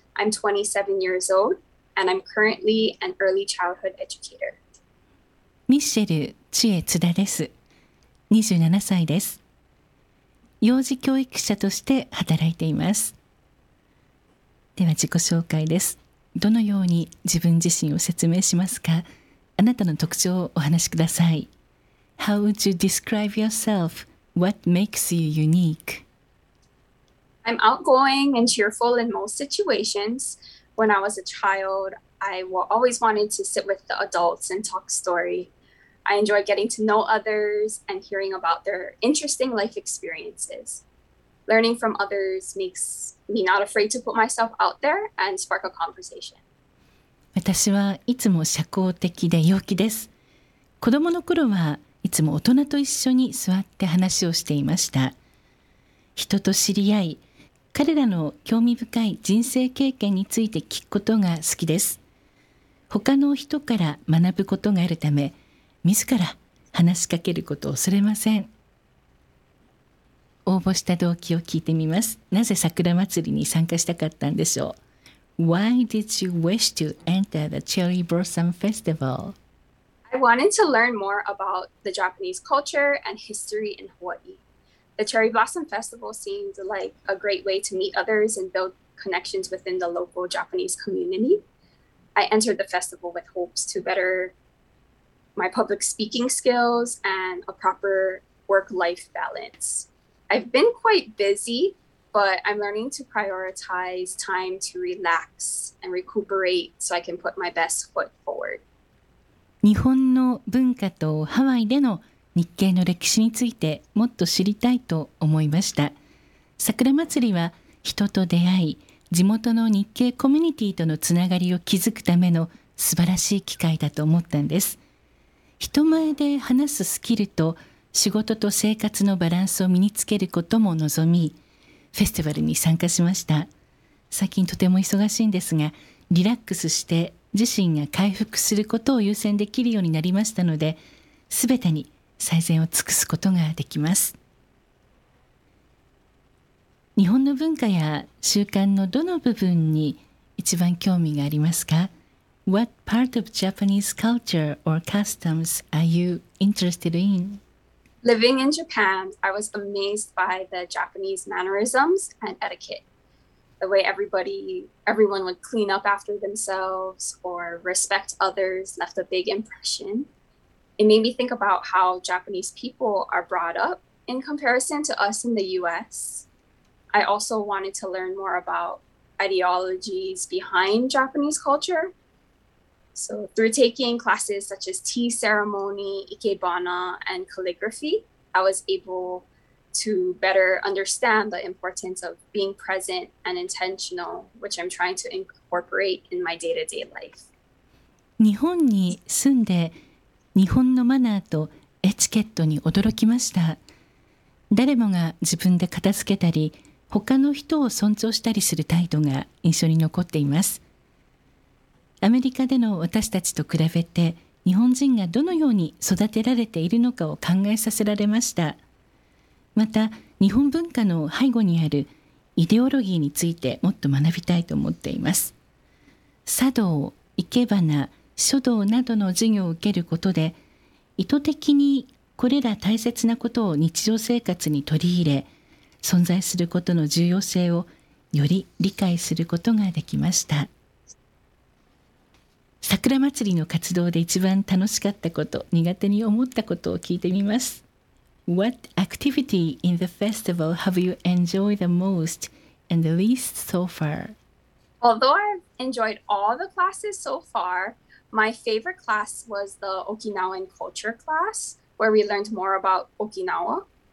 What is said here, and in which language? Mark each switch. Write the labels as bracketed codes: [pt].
[en] I'm 27 years old, and I'm currently an early childhood educator. [ja] ミシェル・チエ・ツダです。27歳です。幼児教育者として働いています。では自己紹介です。どのように自分自身を説明しますか？あなたの特徴をお話しください。 [en] How would you describe yourself? What makes you unique? I'm outgoing and cheerful in most situations. When I was a child, I always wanted to sit with the adults and talk story. I enjoy getting to know others and hearing about their interesting life experiences. Learning from others makes me not afraid to put myself out there and spark a conversation. [ja] 私はいつも社交的で陽気です。子供の頃はいつも大人と一緒に座って話をしていました。人と知り合い、彼らの興味深い人生経験について聞くことが好きです。他の人から学ぶことがあるため、自ら話しかけることを恐れません。応募した動機を聞いてみます。なぜ桜祭りに参加したかったんでしょう。 [en] Why did you wish to enter the Cherry Blossom Festival? I wanted to learn more about the Japanese culture and history in Hawaii. The Cherry Blossom Festival seemed like a great way to meet others and build connections within the local Japanese community. I entered the festival with hopes to better my public speaking skills and a proper work-life balance. I've been quite busy, but I'm learning to prioritize time to relax and recuperate so I can put my best foot forward. [ja] 日本の文化とハワイでの日系の歴史についてもっと知りたいと思いました。桜祭りは人と出会い、地元の日系コミュニティとのつながりを築くための素晴らしい機会だと思ったんです。人前で話すスキルと仕事と生活のバランスを身につけることも望み、フェスティバルに参加しました。最近とても忙しいんですが、リラックスして自身が回復することを優先できるようになりましたので、全てに最善を尽くすことができます。日本の文化や習慣のどの部分に一番興味がありますか？ [en] What part of Japanese culture or customs are you interested in? Living in Japan, I was amazed by the Japanese mannerisms and etiquette. The way everyone would clean up after themselves or respect others left a big impression. It made me think about how Japanese people are brought up in comparison to us in the US. I also wanted to learn more about ideologies behind Japanese culture. So through taking classes such as tea ceremony, ikebana, and calligraphy, I was able to better understand the importance of being present and intentional, which I'm trying to incorporate in my day-to-day life. [ja] 日本に住んで日本のマナーとエチケットに驚きました。誰もが自分で片付けたり、他の人を尊重したりする態度が印象に残っています。アメリカでの私たちと比べて、日本人がどのように育てられているのかを考えさせられました。また、日本文化の背後にあるイデオロギーについてもっと学びたいと思っています。茶道、いけばな、書道などの授業を受けることで、意図的にこれら大切なことを日常生活に取り入れ、存在することの重要性をより理解することができました。桜祭りの活動で一番楽しかったこと、苦手に思ったことを聞いてみます。 [en] What activity in the festival have you enjoyed the most and the least so far? Although I've enjoyed all the classes so farMy favorite class was the Okinawan culture class, where we learned more about Okinawa.